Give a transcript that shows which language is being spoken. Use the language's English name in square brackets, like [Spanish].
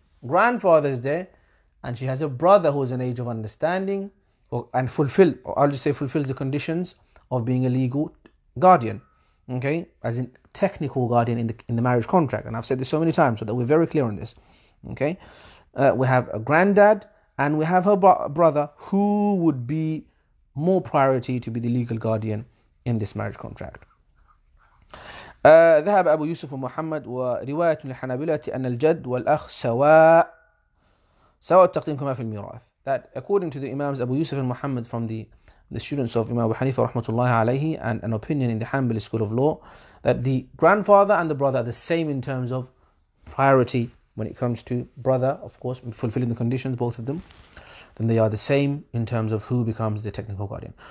[English] Grandfather is there, and she has a brother who is an age of understanding fulfills the conditions of being a legal guardian, okay, as in technical guardian in the marriage contract. And I've said this so many times so that we're very clear on this, okay. We have a granddad and we have her brother, who would be more priority to be the legal guardian in this marriage contract. [Arabic] ذهب أبو يوسف ومحمد ورواية للحنابلة أن الجد والأخ سواء التقديم كما في الميراث. [English] That according to the Imams Abu Yusuf and Muhammad from the the students of Imam Abu Hanifa rahmatullahi alayhi, and an opinion in the Hanbali school of law, that the grandfather and the brother are the same in terms of priority when it comes to brother, of course, fulfilling the conditions, both of them. Then they are the same in terms of who becomes the technical guardian.